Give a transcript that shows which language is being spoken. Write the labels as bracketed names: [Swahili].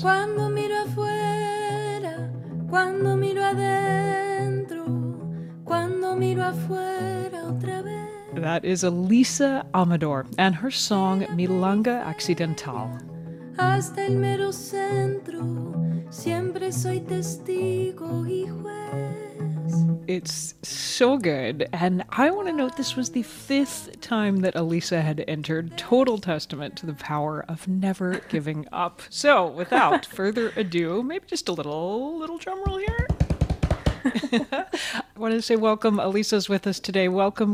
[Spanish] Cuando miro afuera, cuando miro adentro, cuando miro afuera otra vez. [English] That is Elisa Amador and her song Milonga Accidental. [Spanish] Hasta el mero centro, siempre soy testigo y juez. [English] It's so good. And I want to note this was the fifth time that Elisa had entered. Total testament to the power of never giving up. So without further ado, maybe just a little drum roll here. I want to say welcome. Elisa's with us today. Welcome.